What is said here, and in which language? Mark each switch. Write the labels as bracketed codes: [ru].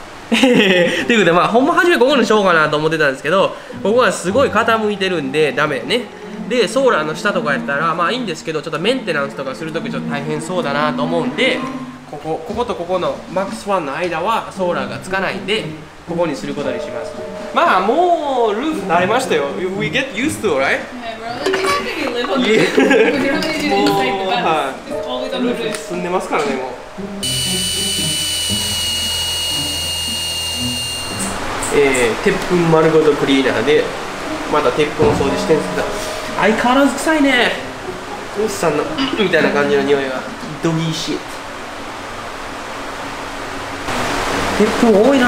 [ja] ということで、まあほんま初めここにしようかなと思ってたんですけど、ここはすごい傾いてるんでダメね。でソーラーの下とかやったらまあいいんですけど、ちょっとメンテナンスとかするときちょっと大変そうだなと思うんで、こことここのマックスワンの間はソーラーがつかないんで、ここにすることにします。まあもうルーフ慣れましたよ。 [en] We get used to, right? Yeah, we're only happy to live on the roof. We don't need to inside the bus. It's always on the roof. [ja] ルーフ住んでますからね、もう。鉄粉丸ごとクリーナーでまだ鉄粉を掃除してるんですけど、相変わらず臭いね、トニスさんのみたいな感じの匂いは。ドギーシー、鉄粉多いな。